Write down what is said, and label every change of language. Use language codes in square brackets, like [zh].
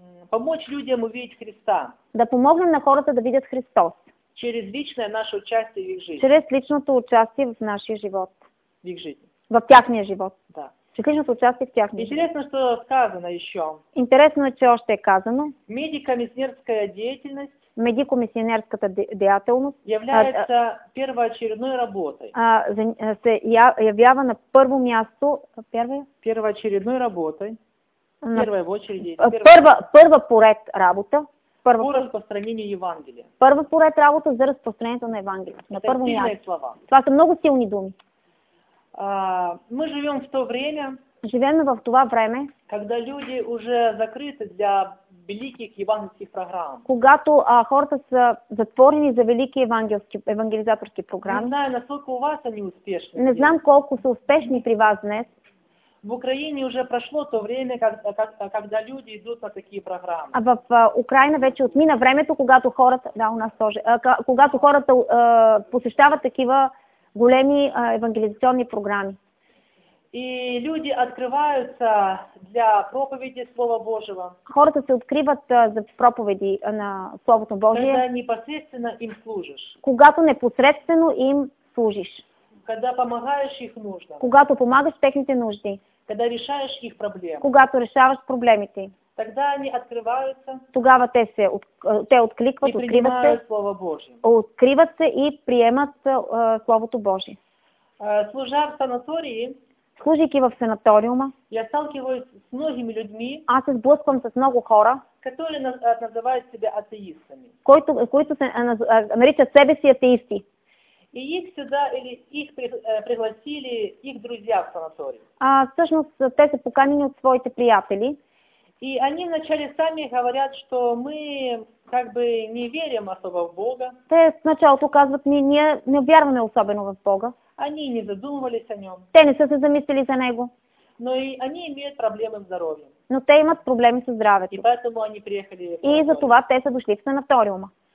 [ru] помочь людям увидеть Христа. [bg] Да помогнем на хората да видят Христос. [ru] Через личное наше участие в их жизни. [bg] Через личното участие в нашия живот. [ru] В их жизни. [bg] в тяхния живот. Да. Чрез личното участие в тяхния живот. [ru] Интересно, что сказано еще. [bg] Интересно, че още е казано. [ru] Медико-мисионерская деятельность. [bg] Медико-мисионерската деятелност [ru] является первоочередной работой. [bg] Се явява на първо място, [ru] первоочередной работой. Первая в очереди. [bg] Първа по ред работа. [ru] По разпространению Евангелия. [bg] Първа по ред работа за разпространението на Евангелие. На първо място. [ru] Сильные слова. [bg] Това са много силни думи. [ru] Мы живем в то время. [bg] Живем в това време. [ru] Когда люди уже закрыты для великих евангельских программ. [bg] Когато хората са затворени за велики евангелизаторски програми. [ru] Не знаю, насколько у вас они успешны. [bg] Не знам колко са успешни при вас днес. [ru] В Украине уже прошло то время, когда люди идут на такие программы. [bg] А в Украина вече отмина времето, когато хората, [ru] да, у нас тоже, [bg] когато хората посещават такива големи евангелизационни програми. [ru] И люди открываются для проповеди Слова Божьего. [bg] Хората се откриват за проповеди на Словото Божие. [ru] Когда непосредственно им служишь. [bg] Когато непосредственно им служиш. [ru] Когда помогаешь их нуждам. [bg] Когато помагаш техните нужди. [ru] Когда решаешь их проблемы. [bg] Когато решаваш проблемите. [ru] Тогда они открываются. [bg] Тогава те откликват, откриват се. [ru] Слово Божие. [bg] Откриват се и приемат Словото Божие. [ru] Служа в санатории. [bg] Служайки в санаториума, [ru] я сталкиваюсь с многими людьми, [bg] аз се сблъсквам с много хора, [ru] которые называют себя атеистами. [bg] Които се наричат себе си атеисти. [ru] И их сюда или их пригласили их друзья в санаторий. [bg] Всъщност те са поканени от своите приятели. [ru] И они вначале сами говорят, что мы как бы не верим особо в Бога. [bg] Те сначала казват, ние не вярваме особено в Бога. [ru] Они не задумывались о нем. [bg] Те не са се замислили за него. [ru] Но и они имеют проблемы с здоровьем. [bg] Но те имат проблеми с здравето. [ru] И поэтому они приехали. [bg] И за това те са дошли в санаториума.